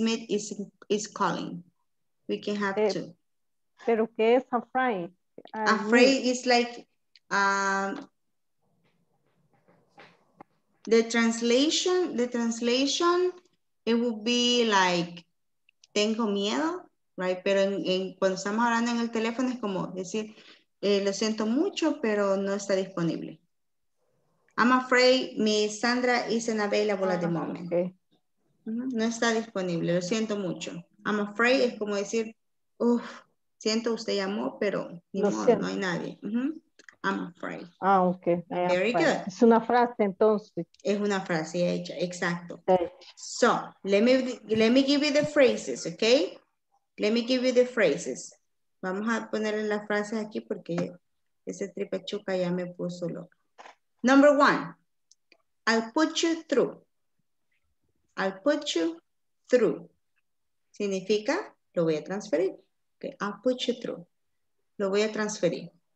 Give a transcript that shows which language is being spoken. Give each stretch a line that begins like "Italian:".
English: Smith is calling. We can have two.
Spanish: Pero que es afraid?
English: Afraid is like the translation it would be like
Spanish: tengo miedo,
English: right?
Spanish: Pero en cuando estamos hablando en el teléfono es como decir lo siento mucho pero no está disponible.
English: I'm afraid Miss Sandra isn't available at the moment. Okay.
Spanish: Mm-hmm. No está disponible, lo siento mucho.
English: I'm afraid
Spanish: es como decir uff. Siento usted llamó, pero ni modo, no hay nadie.
English: Mm-hmm. I'm afraid. Ah, okay. Very afraid. Good.
Spanish: Es una frase, entonces. Es una frase hecha, exacto.
English: Okay. So, let me give you the phrases, okay? Let me give you the phrases.
Spanish: Vamos a ponerle las frases aquí porque ese tripachuca ya me puso loco.
English: Number one. I'll put you through. I'll put you through.
Spanish: Significa, lo voy a transferir.
English: Okay, I'll put you through.
Spanish: Lo voy a transferir.